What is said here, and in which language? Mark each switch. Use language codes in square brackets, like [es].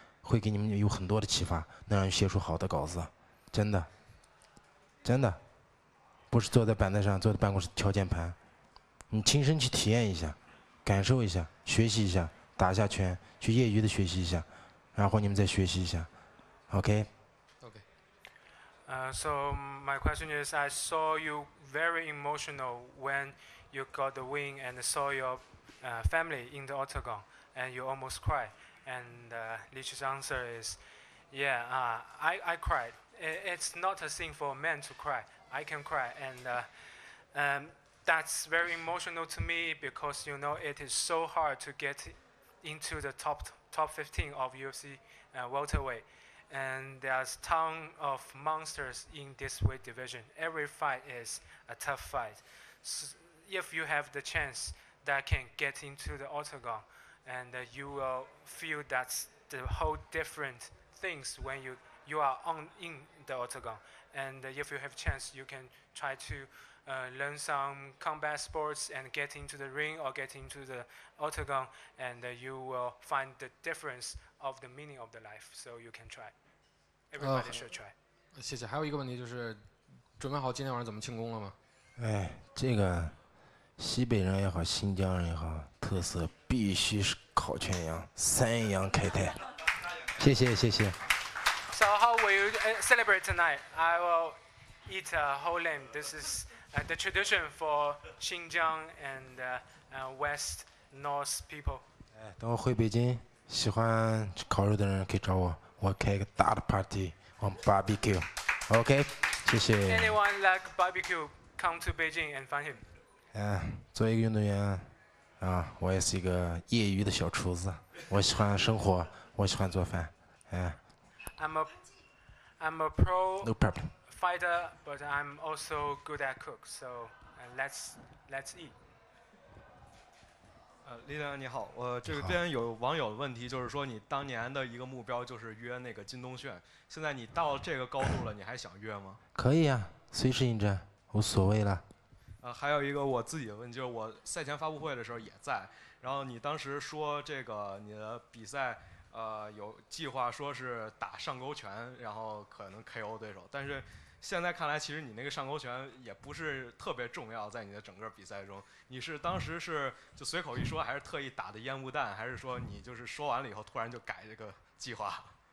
[zh] 会给你们有很多的启发，能让你写出好的稿子，真的，真的，不是坐在板凳上，坐在办公室敲键盘，你亲身去体验一下，感受一下，学习一下，打下拳，去业余的学习一下，然后你们再学习一下 ，OK？ [en] OK。 So my question is, I saw you very emotional when you got the win and saw your family in the octagon, and you almost cried. And Li Qi's answer is, yeah, I cried. It's not a thing for a man to cry. I can cry. And that's very emotional to me because, you know, it is so hard to get into the top 15 of UFC welterweight. And there's a ton of monsters in this weight division. Every fight is a tough fight. So if you have the chance that can get into the octagon,And you will feel that the whole different things when you are in the octagon. And if you have chance, you can try to learn some combat sports and get into the ring or get into the octagon. And you will find the difference of the meaning of the life. So you can try. Everybody should try. [zh] 谢谢。还有一个问题就是，准备好今天晚上怎么庆功了吗？哎，这个西北人也好，新疆人也好，特色。必须是烤全羊，三羊开泰。谢谢谢谢。 [en] So how will you celebrate tonight? I will eat a whole lamb. This is the tradition for Xinjiang and West North people. [zh] 等我回北京，喜欢吃烤肉的人可以找我，我开个大的 [en] party on barbecue. [zh] OK， 谢谢。 [en] Anyone like barbecue? Come to Beijing and find him. [zh] 作为一个运动员。我也是一个业余的小厨子，我喜欢生活，我喜欢做饭。 [en] I'm a pro fighter, but I'm also good at cook. So let's eat. [zh] Leon 你好，我这边有网友的问题，就是说你当年的一个目标就是约那个金东炫，现在你到这个高度了，你还想约吗？可以啊，随时应战，无所谓了。还有一个我自己的问题，就是我赛前发布会的时候也在，然后你当时说这个你的比赛，有计划说是打上勾拳，然后可能 KO 对手，但是现在看来，其实你那个上勾拳也不是特别重要，在你的整个比赛中，你是当时是就随口一说，还是特意打的烟雾弹，还是说你就是说完了以后突然就改这个计划？